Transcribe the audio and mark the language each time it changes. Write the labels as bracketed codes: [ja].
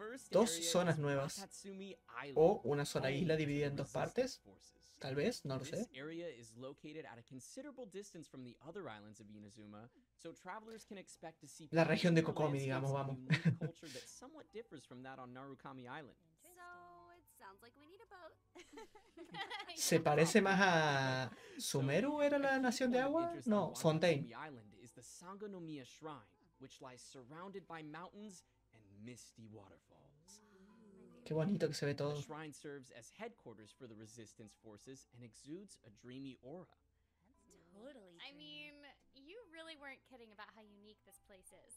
[es] Dos zonas nuevas o una sola isla dividida en dos partes. Tal vez, no lo sé. [en] This area is located at a considerable distance from the other islands of Inazuma, so travelers can expect to see [es] la región de Kokomi, digamos, vamos. [en] Culture that somewhat differs from that on Narukami Island. So, it sounds like we need a boat. [es] Se parece más a Sumeru, era la nación de agua? No, Fontaine. [en] The island is the Sangonomiya Shrine, which lies surrounded by mountains and misty waterfalls. [es] Qué bonito que se ve todo. [en] The shrine serves as headquarters for the resistance forces and exudes a dreamy aura. That's totally dreamy. I mean, you really weren't kidding about how unique this place is.